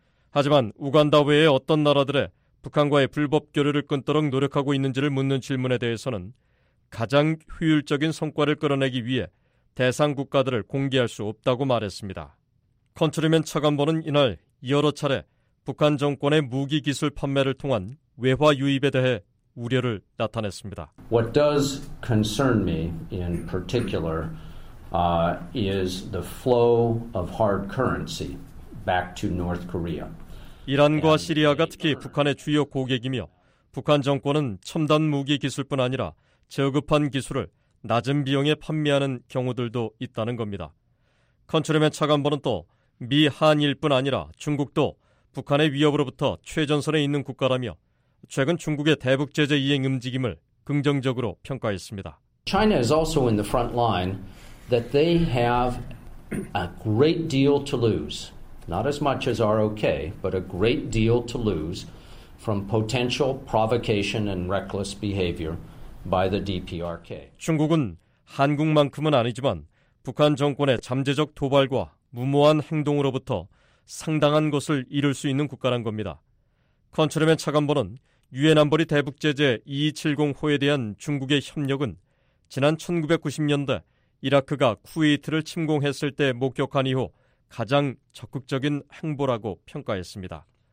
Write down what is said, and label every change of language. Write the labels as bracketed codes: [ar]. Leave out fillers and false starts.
[ko] 하지만 우간다 외의 어떤 나라들의 북한과의 불법 교류를 끊도록 노력하고 있는지를 묻는 질문에 대해서는 가장 효율적인 성과를 끌어내기 위해 대상 국가들을 공개할 수 없다고 말했습니다. 컨트롤맨 차관보는 이날 여러 차례 북한 정권의 무기 기술 판매를 통한 외화 유입에 대해 우려를 나타냈습니다. [en] What does concern me in particular is the flow of hard currency back to North Korea. [ko] 이란과 시리아가 특히 북한의 주요 고객이며 북한 정권은 첨단 무기 기술뿐 아니라 저급한 기술을 낮은 비용에 판매하는 경우들도 있다는 겁니다. 컨트롤맨 차관보는 또 미, 한일뿐 아니라 중국도 북한의 위협으로부터 최전선에 있는 국가라며 최근 중국의 대북 제재 이행 움직임을 긍정적으로 평가했습니다. [en] China is also in the front line that they have a great deal to lose. Not as much as ROK, but a great deal to lose from potential provocation and reckless behavior by the DPRK. [ko] 중국은 한국만큼은 아니지만 북한 정권의 잠재적 도발과 무모한 행동으로부터 상당한 것을 잃을 수 있는 국가란 겁니다. 컨트롤맨 차관보는 유엔 안보리 대북 제재 2270호에 대한 중국의 협력은 지난 1990년대 이라크가 쿠웨이트를 침공했을 때 목격한 이후 가장 적극적인 행보라고 평가했습니다.